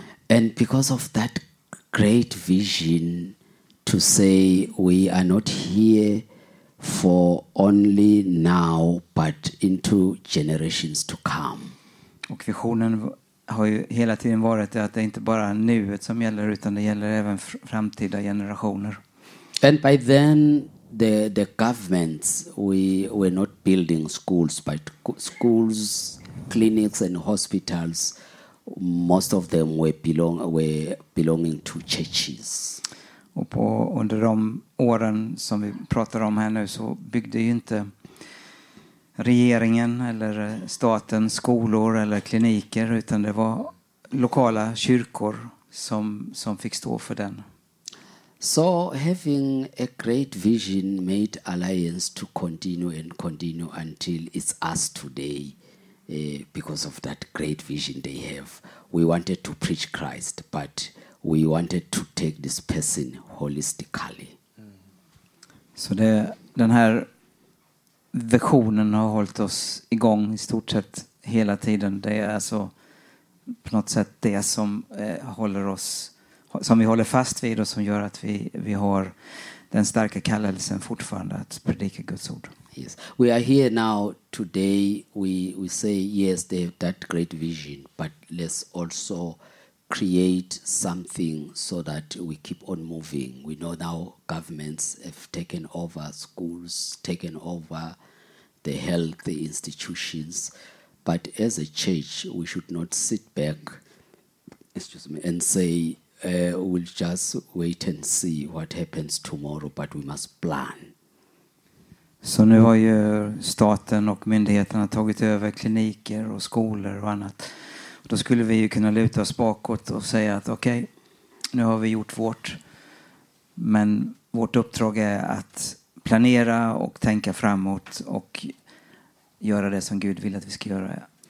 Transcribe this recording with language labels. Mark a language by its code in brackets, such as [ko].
[en] And because of that great vision to say we are not here for only now but into generations to come. [sv] Och visionen har ju hela tiden varit att det inte bara är nuet som gäller utan det gäller även framtida generationer. [en] And by then the governments we were not building schools but schools, clinics and hospitals, most of them were belonging to churches. [sv] Och på under de åren som vi pratar om här nu så byggde ju inte regeringen eller staten skolor eller kliniker utan det var lokala kyrkor som fick stå för den. [en] So having a great vision made alliance to continue and continue until it's us today because of that great vision they have. We wanted to preach Christ but we wanted to take this person holistically. [sv] Så det, den här visionen har hållit oss igång i stort sett hela tiden. Det är alltså på något sätt det som håller oss, som vi håller fast vid och som gör att vi har den starka kallelsen fortfarande att predika Guds ord. [en] Yes. We are here now today. We say yes, they have that great vision, but let's also create something so that we keep on moving. We know now governments have taken over schools, taken over the health institutions, but as a church we should not sit back, excuse me, and say we'll just wait and see what happens tomorrow, but we must plan. [sv] Så nu har ju staten och myndigheterna tagit över kliniker och skolor och annat. Då skulle vi ju kunna luta oss bakåt och säga att okej, nu har vi gjort vårt. Men vårt uppdrag är att planera och tänka framåt och göra det som Gud vill att vi ska göra.